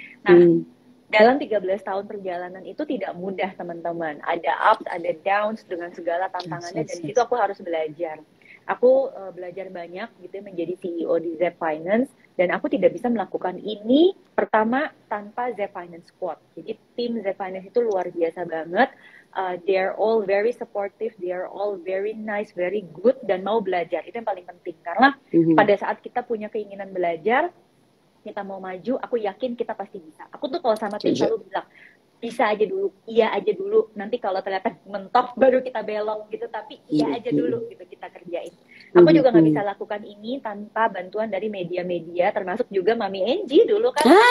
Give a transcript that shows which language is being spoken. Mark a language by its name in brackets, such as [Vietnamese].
[Indonesian] Nah, dalam 13 tahun perjalanan itu tidak mudah, teman-teman. Ada ups, ada downs dengan segala tantangannya, dan itu aku harus belajar. Aku belajar banyak gitu menjadi CEO di Zap Finance, dan aku tidak bisa melakukan ini pertama tanpa Zap Finance Squad. Jadi tim Zap Finance itu luar biasa banget. [English] They are all very supportive, they are all very nice, very good, [Indonesian] dan mau belajar. Itu yang paling penting, karena pada saat kita punya keinginan belajar, kita mau maju, aku yakin kita pasti bisa. Aku tuh kalau sama tim selalu bilang, bisa aja dulu, iya aja dulu, nanti kalau ternyata mentok baru kita belok gitu, tapi iya aja dulu gitu kita kerjain. Aku juga gak bisa lakukan ini tanpa bantuan dari media-media, termasuk juga Mami Angie dulu kan.